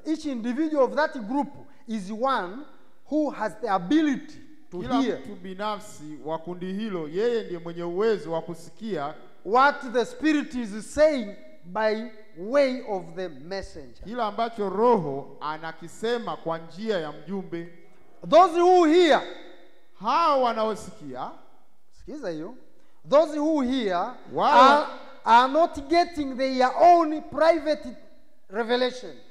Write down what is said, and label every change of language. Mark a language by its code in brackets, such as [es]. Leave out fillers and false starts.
[en] Each individual of that group is one who has the ability to hear. [sw] Kila mtu binafsi wa kundi hilo, yeye ndiye mwenye uwezo wa kusikia [en] what the Spirit is saying by way of the messenger. [sw] Kila ambacho Roho anakisema kwa njia ya mjumbe. [en] Those who hear. [sw] Hao wanaosikia. Sikiza hiyo. [en] Those who hear are not getting their own private revelation.